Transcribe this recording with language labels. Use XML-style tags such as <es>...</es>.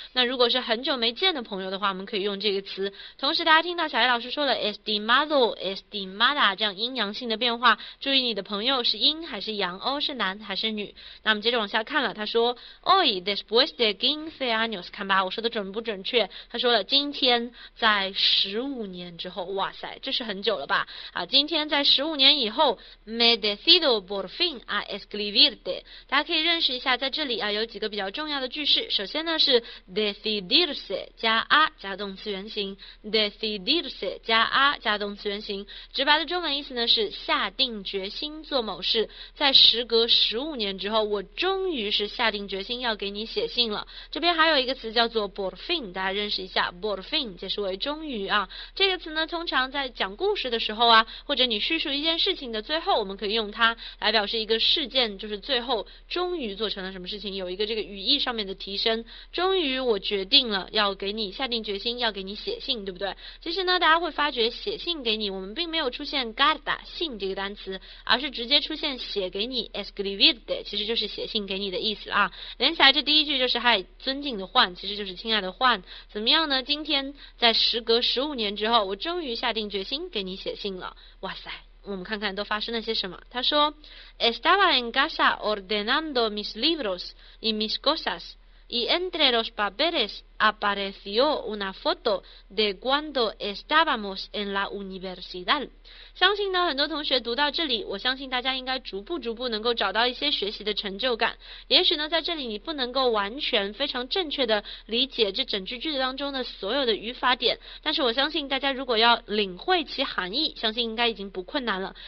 <zh>那如果是很久没见的朋友的话，我们可以用这个词。同时大家听到小艾老师说了 estimado, estimada 这样阴阳性的变化，注意你的朋友是阴还是阳哦，是男还是女。那我们接着往下看了，他说</zh> <es>Hoy, después de 15 años，</es> <zh>看吧，我说的准不准确。他说了今天在15年之后，哇塞，这是很久了吧啊。今天在15年以后 ，</zh> <es>me decido por fin a escribirte。</es> <zh>大家可以认识一下，在这里啊有几个比较重要的句式。首先呢是 decidirse 加 a 加动词原形 ，decidirse 加 a 加动词原形。直白的中文意思呢是下定决心做某事。在时隔15年之后，我终于是下定决心要给你写信了。这边还有一个词叫做 por fin， 大家认识一下 ，por fin 解释为终于啊。这个词呢，通常在讲故事的时候啊。或者你叙述一件事情的最后，我们可以用它来表示一个事件，就是最后终于做成了什么事情，有一个这个语义上面的提升。终于我决定了要给你下定决心，要给你写信，对不对？其实呢，大家会发觉写信给你，我们并没有出现 carta 信这个单词，而是直接出现写给你 escribirte，其实就是写信给你的意思啊。连起来这第一句就是嗨，尊敬的 Juan，其实就是亲爱的 Juan，怎么样呢？今天在时隔15年之后，我终于下定决心给你写信了。哇塞，我们看看都发生了些什么。他说：“</zh> <es>Estaba en casa ordenando mis libros y mis cosas, y entre los papeles apareció una foto de cuando estábamos en la universidad。</es> <zh>”相信呢，很多同学读到这里，我相信大家应该逐步能够找到一些学习的成就感。也许呢，在这里你不能够完全非常正确的理解这整句句子当中的所有的语法点，但是我相信大家如果要领会其含义，相信应该已经不困难了。</zh>